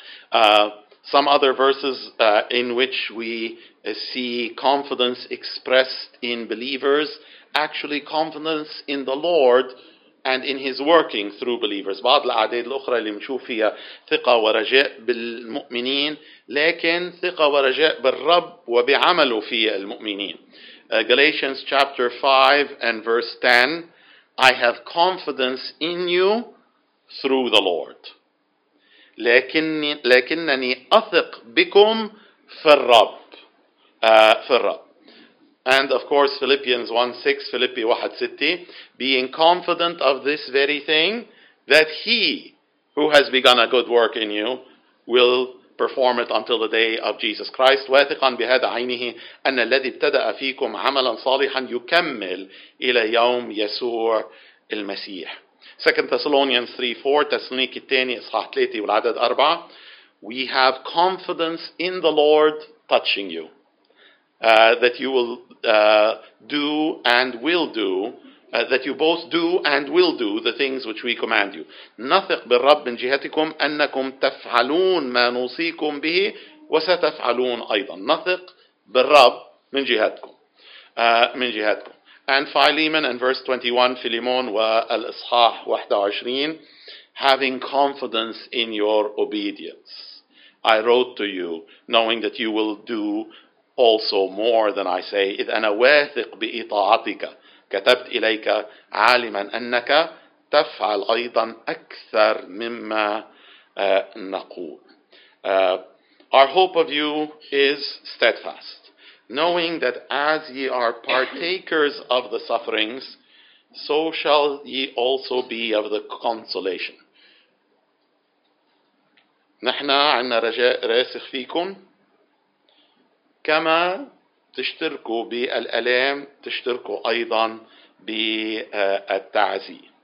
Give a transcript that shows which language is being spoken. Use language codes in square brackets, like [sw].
[en] Some other verses in which we see confidence expressed in believers, actually confidence in the Lord and in His working through believers. [ar] بعض الأعداد الأخرى اللي نشوف فيها ثقة ورجاء بالمؤمنين, لكن ثقة ورجاء بالرب وبعمله في المؤمنين. [en] Galatians chapter 5 and verse 10, I have confidence in you through the Lord. [ar] لكنني أثق بكم في الرب في الرب. [en] And of course Philippians 1:6, Philippi 1:6, being confident of this very thing, that he who has begun a good work in you will perform it until the day of Jesus Christ. [ar] واثقا بهذا عينه أن الذي ابتدأ فيكم عملا صالحا يكمل إلى يوم يسوع المسيح. [en] 2 Thessalonians 3:4, Thessaloniki 2, [ar] إصحاح 3 والعدد 4, [en] we have confidence in the Lord touching you, that you will do and will do, that you both do and will do the things which we command you. [ar] نثق بالرب من جهتكم أنكم تفعلون ما نوصيكم به وستفعلون أيضا. نثق بالرب من جهتكم. من جهتكم. [en] And Philemon and verse 21, Philemon [ar] wa al-Ishah 21, [en] having confidence in your obedience, I wrote to you, knowing that you will do also more than I say. [ar] إذ أنا واثق بإطاعتك كتبت إليك عالما أنك تفعل أيضا أكثر مما نقول. [en] Our hope of you is steadfast, knowing that as ye are partakers of the sufferings, so shall ye also be of the consolation. [ar] نحن عنا رجاء راسخ فيكم كما تشتركوا بالألام تشتركوا أيضا بالتعزي.